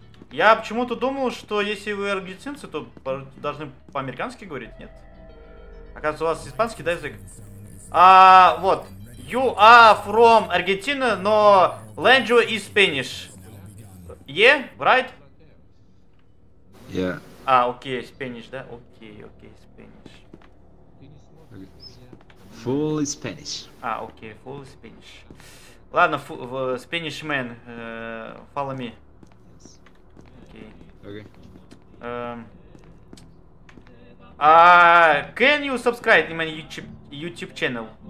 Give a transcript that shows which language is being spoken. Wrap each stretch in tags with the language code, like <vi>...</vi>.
<ru>Я почему-то думал, что если вы аргентинцы, то должны по-американски говорить, нет? Оказывается, у вас испанский, да, язык? А, вот.</ru> <en>You are from Argentina,</en> <ru>но</ru> <en>language is Spanish. Yeah, right? Yeah.</en> <ru>А, окей, Spanish, да? Окей, окей, Spanish.</ru> <en>Full Spanish.</en> <ru>А, окей,</ru> <en>full Spanish.</en> <ru>Ладно,</ru> <en>Spanish man, follow me.</en> <ru>Окей. Окей.</ru> <en>Can you subscribe to my YouTube channel?</en>